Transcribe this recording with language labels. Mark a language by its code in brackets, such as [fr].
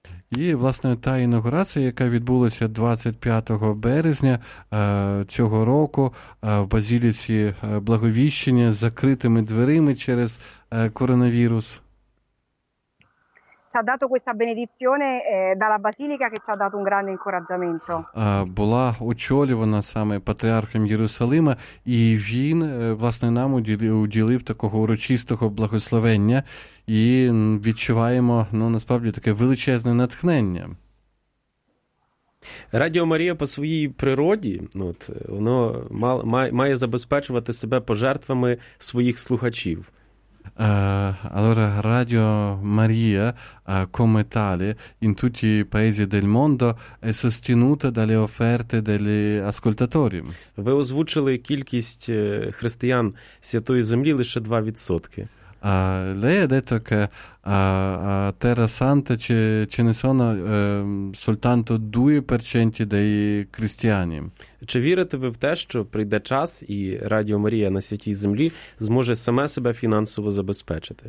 [uk] І, власне, та інаугурація, яка відбулася 25 березня цього року в Базиліці Благовіщення з закритими дверима через коронавірус. [it] Ci ha dato questa benedizione dalla Basilica che ci ha dato un grande incoraggiamento. [uk] Була очолювана саме патріархом Єрусалима, і він, власне, нам уділив такого урочистого благословення, і відчуваємо, ну, насправді, таке величезне натхнення. Радіо Марія по своїй природі, от, воно має забезпечувати себе пожертвами своїх слухачів. [it] Allora, Radio Maria, come tale, in tutti i paesi del mondo, è sostenuta dalle offerte degli ascoltatori. [uk] Ви озвучили кількість християн Святої Землі лише 2%. [it] Lei ha detto che a Terra Santa ce ne sono soltanto 2% dei cristiani. [uk] Чи вірите ви в те, що прийде час і Радіо Марія на Святій Землі зможе саме себе фінансово забезпечити?